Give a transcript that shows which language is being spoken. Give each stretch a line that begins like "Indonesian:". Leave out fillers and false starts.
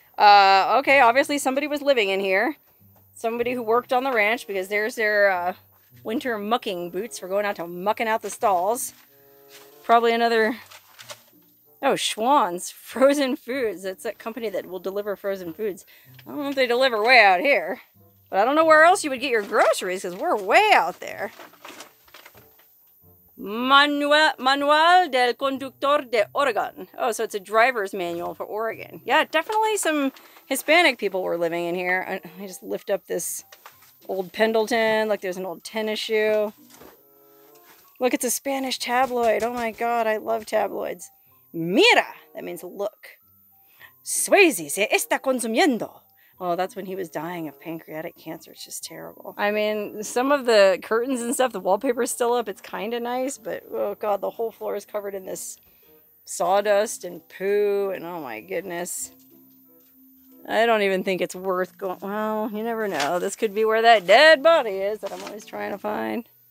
English: Okay, obviously somebody was living in here. Somebody who worked on the ranch, because there's their winter mucking boots for going out to mucking out the stalls. Probably another... Oh, Schwann's Frozen Foods. It's a company that will deliver frozen foods. I don't know if they deliver way out here, but I don't know where else you would get your groceries, because we're way out there.
Spanish: Manual del Conductor de Oregon.
English: Oh, so it's a driver's manual for Oregon. Yeah, definitely some Hispanic people were living in here. I just lift up this old Pendleton. Look, there's an old tennis shoe. Look, it's a Spanish tabloid. Oh my God, I love tabloids. Mira, that means look.
Spanish: Swayze se está consumiendo.
English: Oh, that's when he was dying of pancreatic cancer. It's just terrible. I mean, some of the curtains and stuff, the wallpaper's still up. It's kind of nice, but oh God, the whole floor is covered in this sawdust and poo, and oh my goodness. I don't even think it's worth going. Well, you never know. This could be where that dead body is that I'm always trying to find.